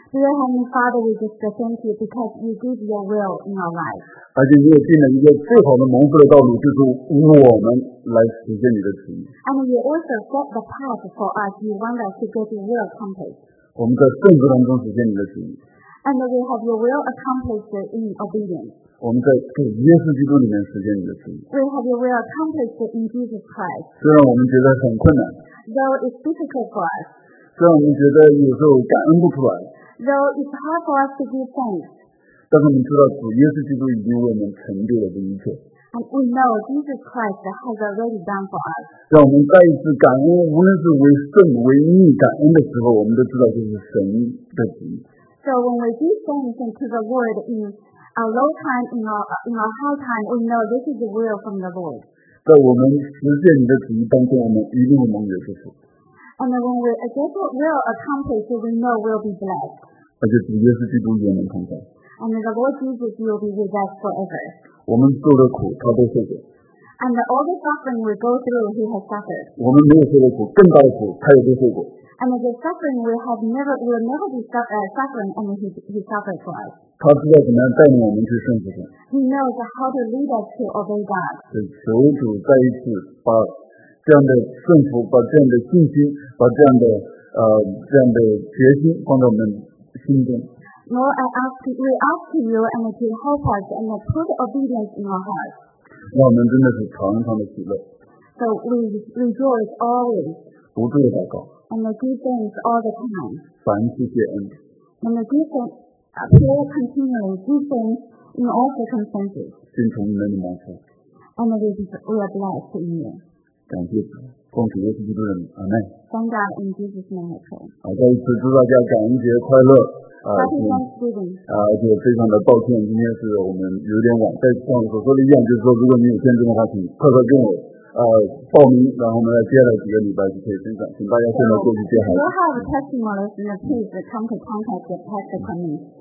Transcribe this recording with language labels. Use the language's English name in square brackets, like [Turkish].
[English] Dear Heavenly Father, we just thank you because you give your will in our life. [Chinese] 而且你也定了一个最好的蒙福的道路，就是我们来实现你的旨意。 [English] And you also set the path for us. You want us to get your will accomplished. [Chinese] 我们在顺服当中实现你的旨意。 [English] and we have your will accomplished in obedience. [Chinese] 我们在主耶稣基督里面实现你的旨意。 [English] We have your will accomplished in Jesus Christ. [Chinese] 虽然我们觉得很困难。 [English] Though it's difficult for us. [Chinese] 虽然我们觉得有时候感恩不出来。 [English] Though it's hard for us to give thanks. [Chinese] 但是我们知道主耶稣基督已经为我们成就了这一切。 [English] And we know Jesus Christ has already done for us. [Chinese] 让我们再一次感恩，无论是为圣为义感恩的时候，我们都知道这是神的旨意。 [English] So when we give thanks to the Lord in our low time, in our high time, we know this is the will from the Lord. [Chinese] 在我们实践你的旨意当中，我们一定蒙有祝福。 [English] And when we get what will accomplished, we know we'll be blessed. [Chinese] 而且主耶稣基督与我们同在。 [English] And the Lord Jesus will be with us forever. [Chinese] 我们受的苦，他都受过。 [English] And all the suffering we go through, he has suffered. [Chinese] 我们没有受的苦，更大的苦，他也都受过。 [English] And the suffering we have never will never be suffering, and he suffered for us. [Chinese] 他知道怎么样带领我们去顺服神。 [English] He knows how to lead us to obey God. [Chinese] 求主再一次把这样的顺服，把这样的信心，把这样的这样的决心放在我们心中。 [English] Lord, I ask you, we ask you and to help us and to put obedience in our hearts. [Chinese] 让我们真的是常常的喜乐。 [English] So we rejoice always. [Chinese] 不住的祷告。 [English] And we give thanks all the time. [Chinese] 凡事谢恩。 [English] And we give thanks, pray continually, give thanks in all circumstances. [Chinese] 信从你那里蒙福。 [English] And we are blessed in you. [Chinese] 感谢主，奉主耶稣基督的名，阿门。 [English] Thank God in Jesus' name, pray. [Chinese] 好，再一次祝大家感恩节快乐。而且非常的抱歉，今天是我们有点晚，但像我所说的一样，就是说如果你有见证的话，请快快跟我报名，然后我们在接下来几个礼拜就可以分享，请大家现在过去接孩子。 [English] If you have a testimony, please come to contact the pastor for me.